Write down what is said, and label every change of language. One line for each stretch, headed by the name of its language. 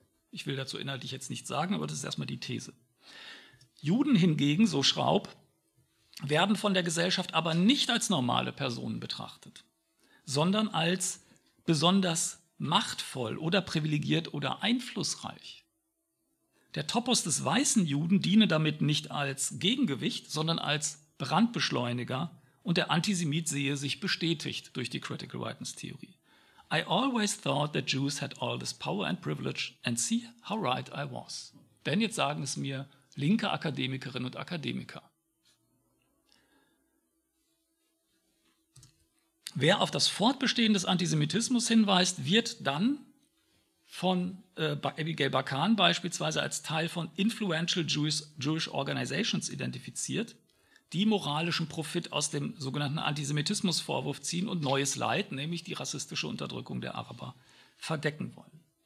German: Ich will dazu inhaltlich jetzt nichts sagen, aber das ist erstmal die These. Juden hingegen, so Schraub, werden von der Gesellschaft aber nicht als normale Personen betrachtet, sondern als besonders machtvoll oder privilegiert oder einflussreich. Der Topos des weißen Juden diene damit nicht als Gegengewicht, sondern als Brandbeschleuniger und der Antisemit sehe sich bestätigt durch die Critical Whiteness-Theorie.
English: I always thought that Jews had all this power and privilege and see how right I was.
German: Denn jetzt sagen es mir linke Akademikerinnen und Akademiker. Wer auf das Fortbestehen des Antisemitismus hinweist, wird dann von Abigail Bakan beispielsweise als Teil von
English: Influential Jewish Organizations
German: identifiziert, die moralischen Profit aus dem sogenannten Antisemitismusvorwurf ziehen und neues Leid, nämlich die rassistische Unterdrückung der Araber, verdecken wollen.